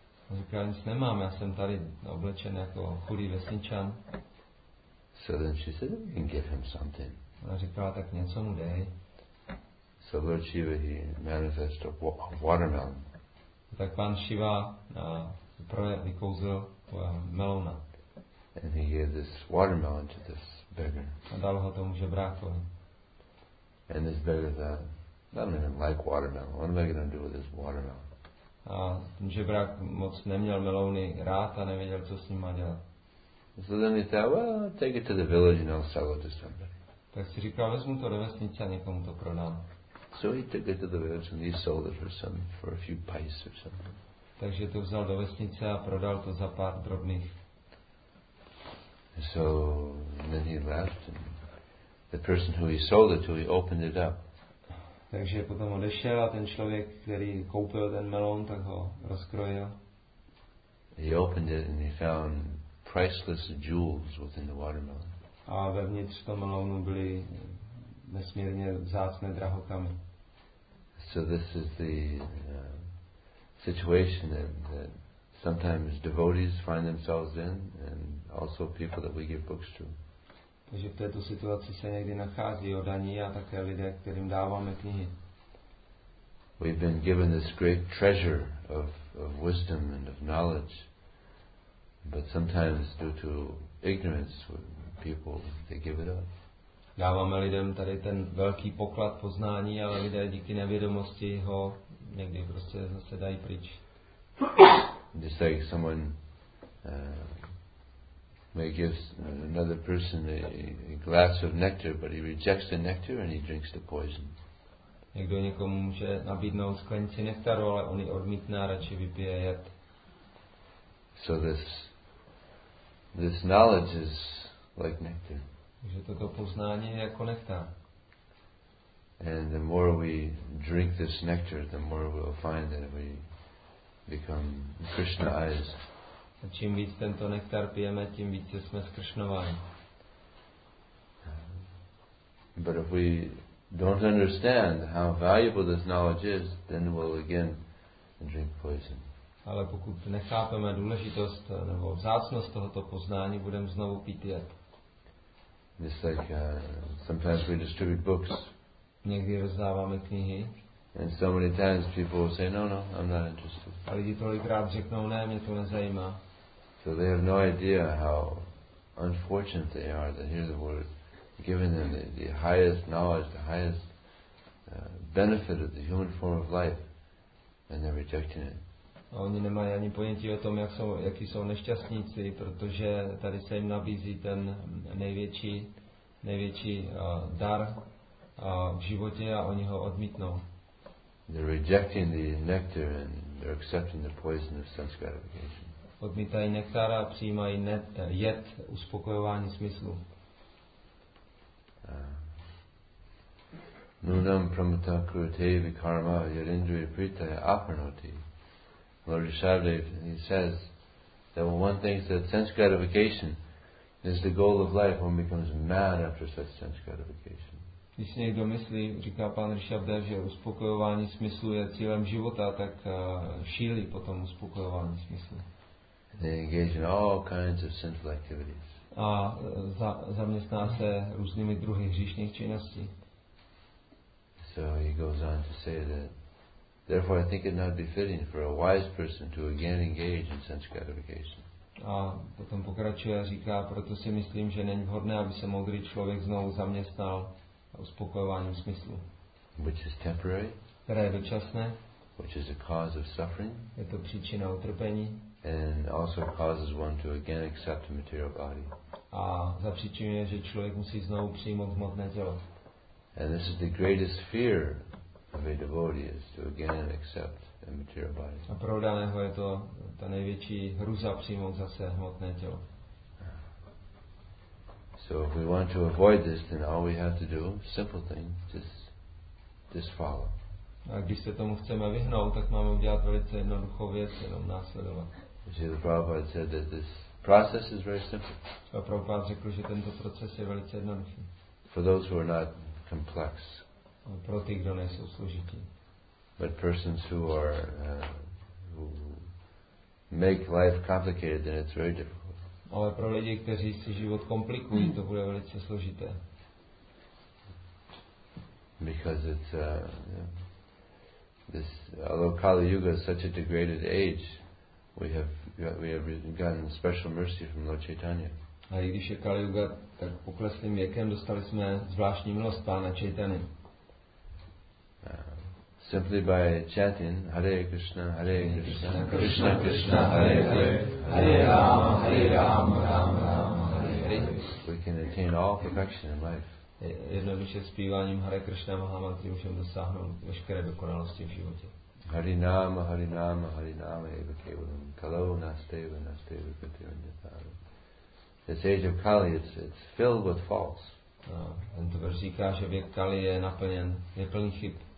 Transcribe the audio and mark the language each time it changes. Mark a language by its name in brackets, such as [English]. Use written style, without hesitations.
[Czech] On říkala, nic nemám, já jsem tady oblečen jako chudý vesničan. [English] So then she said, you can give him something. [Czech] Ona říkala, tak něco mu dej. [English] So Lord Shiva, he manifested a watermelon. [Czech] Tak pán Shiva vykouzl melona. [English] And he gave this watermelon to this beggar. [Czech] A dal ho tomu žebrákovi. [English] And this beggar thought, I don't even like watermelon. What am I going to do with this watermelon? [Czech] A ten žebrák moc neměl melouny rád a nevěděl, co s ním má dělat. [English] So then he thought, well, I'll take it to the village and I'll sell it to somebody. [Czech] Tak si říkal, vezmu to do vesnice a někomu to prodám. [English] So he took it to the village and he sold it for a few pice or something. [Czech] Takže to vzal do vesnice a prodal to za pár drobných. [English] So then he left and the person who he sold it to, he opened it up. [Czech] Takže potom odešel a ten člověk, který koupil ten melon, tak ho rozkrojil. [English] He opened it and he found priceless jewels within the watermelon. [Czech] A vevnitř toho melonu byly nesmírně vzácné drahokamy. [English] So this is the situation that sometimes devotees find themselves in, and also people that we give books to. [Czech] Takže v této situaci se někdy nachází odaní a také lidé, kterým dáváme knihy. [English] We've been given this great treasure of wisdom and of knowledge, but sometimes due to ignorance, people they give it up. [Czech] Dáváme lidem tady ten velký poklad poznání, ale lidé díky nevědomosti ho někdy prostě zase dají pryč. [English] Just like someone may give another person a glass of nectar, but he rejects the nectar and he drinks the poison. [Czech] Někdo někomu může nabídnout sklenici nektaru, ale on ji odmítne a radši vypije jed. [English] So this knowledge is like nectar. [Czech] Že toto poznání je jako nektar. [English] And the more we drink this nectar, the more we'll find that we become Krishnaized. [Czech] A čím víc tento nektar pijeme, tím víc jsme skršnováni. [English] But if we don't understand how valuable this knowledge is, then we'll again drink poison. [Czech] Ale pokud nechápeme důležitost nebo vzácnost tohoto poznání, budeme znovu pít jed. [English] Just like sometimes we distribute books. [Czech] Někdy rozdáváme knihy. [English] And so many times people will say, no, I'm not interested. [Czech] A lidi tolikrát řeknou, ne, mě to nezajímá. [English] So they have no idea how unfortunate they are to hear the word, giving them the highest knowledge, the highest benefit of the human form of life, and they're rejecting it. [Czech] A oni nemají ani ponětí o tom, jaký jsou nešťastníci, protože tady se jim nabízí ten největší dar v životě a oni ho odmítnou. [English] They're rejecting the nectar and they're accepting the poison of sense gratification. [Czech] Odmítají nektar a přijímají jed uspokojování smyslu. [Sanskrit] Nunam pramata krute vikarma yarindri pritaya aparnoti. [English] Lord Rishabdev, he says that when one thinks that sense gratification is the goal of life, one becomes mad after such sense gratification. [Czech] Když někdo myslí, říká pan Rishabdev, že uspokojování smyslu je cílem života, tak šílí potom uspokojování smyslu. [English] They engage in all kinds of sinful activities. [Czech] A zaměstná se různými druhy hříšných činností. [English] So he goes on to say that therefore I think it not befitting for a wise person to again engage in sense gratification. [Czech] A potom pokračuje a říká, proto si myslím, že není vhodné, aby se moudrý člověk znovu zaměstnal uspokojováním smyslu. [English] Which is temporary. [Czech] Které je dočasné. [English] Which is a cause of suffering. [Czech] Je to příčina utrpení. [English] And also causes one to again accept the material body. [Czech] A za příčinu je, že člověk musí znovu přijmout hmotné tělo. [English] And this is the greatest fear of a devotee is to again accept the material body. [Czech] A pro daného je to ta největší hruza přijmout zase hmotné tělo. [English] So if we want to avoid this, then all we have to do, simple thing, just follow. [Czech] A když se tomu chceme vyhnout, tak máme udělat velice jednoduchou věc, jenom následovat. [English] The Prabhupada said that this process is very simple. [Czech] A Prabhupada řekl, že tento proces je velice jednoduchý. [English] For those who are not complex. [Czech] A pro ty, kdo nejsou složití. [English] But persons who are who make life complicated, then it's very difficult. [Czech] Ale pro lidi, kteří si život komplikují, to bude velice složité. [English] Because it's this although Kali Yuga is such a degraded age, we have gotten special mercy from Lord Chaitanya. [Czech] A i když je Kali Yuga tak pokleslým věkem, dostali jsme zvláštní milost Pána Chaitany. [English] Simply by chanting [Sanskrit] Hare Krishna, Hare Krishna, Krishna Krishna, Hare Hare, Hare Rama, Hare Rama, Rama Rama, Hare Hare, [English] we can attain all perfection in life. [Czech] Jednoduše zpíváním Hare Krishna Mahamantri můžeme dosáhnout veškeré dokonalosti v životě. [Sanskrit] Hare Rama, Hare Rama, Hare Rama, Eva Kevalam, Kalo Nasteva, Nasteva Kativanyatara. [English] This age of Kali, it's filled with faults. [Czech] Tento verš říká, že věk Kali je naplněn, je plný chyb.